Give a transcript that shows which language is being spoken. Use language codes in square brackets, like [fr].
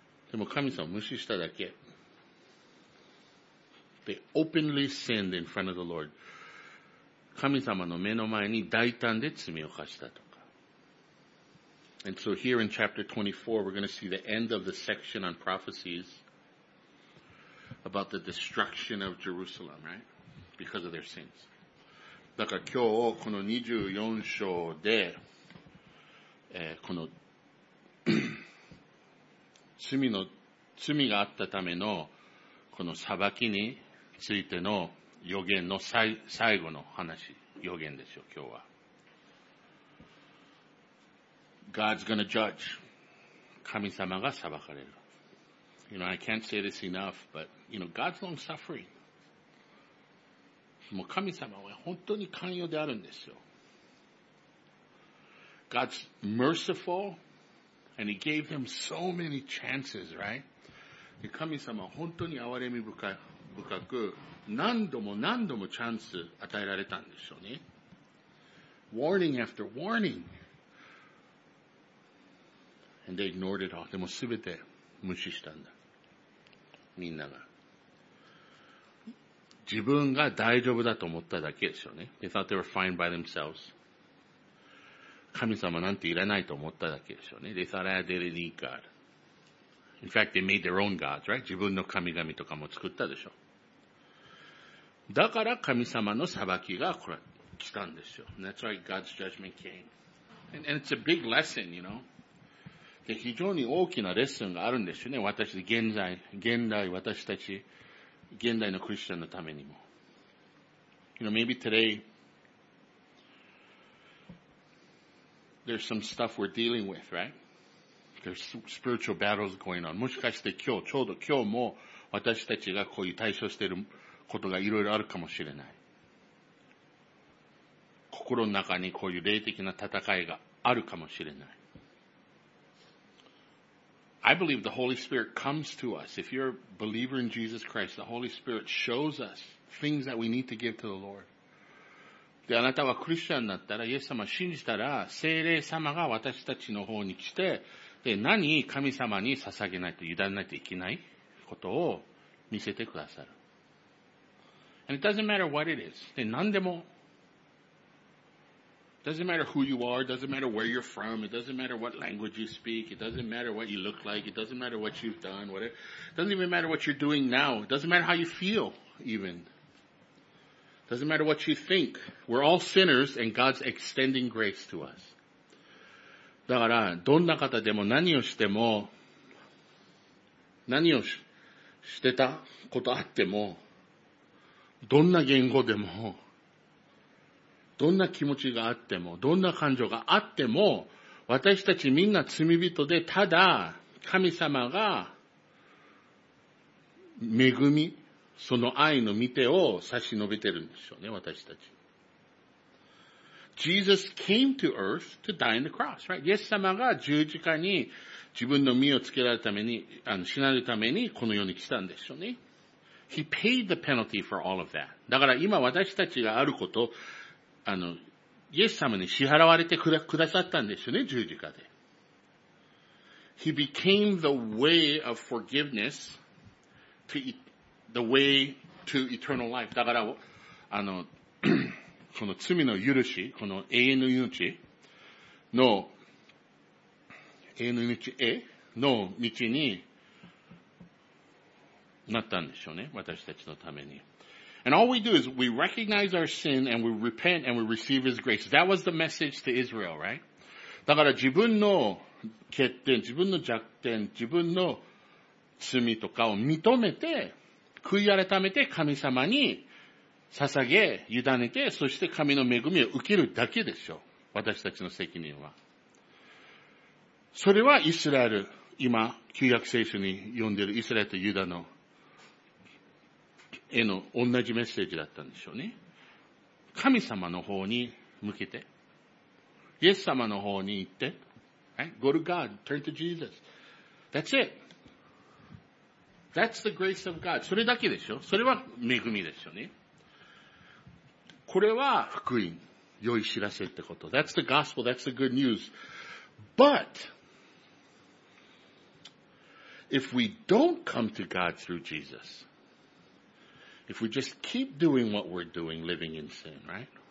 [ja] でも神様を無視しただけ。 [en] They openly sinned in front of the Lord. [ja] 神様の目の前に大胆で罪を犯したとか。 [en] And so here in chapter 24, we're going to see the end of the section on prophecies about the destruction of Jerusalem, right? Because of their sins. [ja] だから今日この24章で、この罪があったためのこの裁きについての予言の最後の話、予言ですよ今日は。 [en] God's gonna judge. [ja] 神様が裁かれる。 [en] You know, I can't say this enough, but you know, God's long suffering. [ja] もう神様は本当に寛容であるんですよ。 [en] God's merciful and he gave them so many chances, right? [ja] 神様は本当に憐れみ深く何度も何度もチャンス与えられたんでしょうね。 [en] Warning after warning. And they ignored it all. [ja] でも全て無視したんだ。みんなが。自分が大丈夫だと思っただけですよね。 [en] They thought they were fine by themselves. [ja] 神様なんていらないと思っただけですよね。 [en] They thought I didn't need God. In fact, they made their own gods, right? [ja] 自分の神々とかも作ったでしょ。だから神様の裁きが来たんですよ。 [en] That's why God's judgment came. And it's a big lesson, you know. [ja] で、非常に大きなレッスンがあるんですよね。私、現代私たち、現代のクリスチャンのためにも。 [en] You know, maybe today, there's some stuff we're dealing with, right? There's spiritual battles going on. [ja] もしかして今日、ちょうど今日も私たちがこういう対処していることがいろいろあるかもしれない。心の中にこういう霊的な戦いがあるかもしれない。 [en] I believe the Holy Spirit comes to us. If you're a believer in Jesus Christ, the Holy Spirit shows us things that we need to give to the Lord. [ja] で、あなたはクリスチャンになったら、イエス様信じたら、聖霊様が私たちの方に来て、で、何神様に捧げないと、委ねないといけないことを見せてくださる。 [en] And it doesn't matter what it is. [ja] で、何でも。 [en] Doesn't matter who you are, doesn't matter where you're from, it doesn't matter what language you speak, it doesn't matter what you look like, it doesn't matter what you've done, whatever. Doesn't even matter what you're doing now, it doesn't matter how you feel, even. Doesn't matter what you think. We're all sinners and God's extending grace to us. [ja] だから、どんな方でも何をしても、何をしてたことあっても、どんな言語でも、どんな気持ちがあっても、どんな感情があっても、私たちみんな罪人で、ただ、神様が、恵み、その愛の御手を差し伸べてるんでしょうね、私たち。 [en] Jesus came to earth to die on the cross, right? [ja] イエス様が十字架に自分の身をつけられるために、死なるためにこの世に来たんですよね。 [en] He paid the penalty for all of that. [ja] だから今私たちがあること、イエス様に支払われてくださったんですよね、十字架で。 He became the way of forgiveness to the way to eternal life. だから、この罪の許し、この永遠の命の、永遠の命への道になったんでしょうね。私たちのために。 [en] And all we do is we recognize our sin and we repent and we receive His grace. That was the message to Israel, right? [ja] だから自分の欠点、自分の弱点、自分の罪とかを認めて、悔い改めて神様に捧げ、委ねて、そして神の恵みを受けるだけでしょう。私たちの責任は。それはイスラエル、今、旧約聖書に読んでいるイスラエルとユダの、への同じメッセージだったんでしょうね。神様の方に向けて、イエス様の方に行って、right? [en] Go to God, turn to Jesus. That's it. That's the grace of God. [ja] それだけでしょ。それは恵みですよね。これは福音、良い知らせってこと。 [en] That's the gospel, that's the good news. But, if we don't come to God through Jesus, if we just keep doing what we're doing, living in sin, right?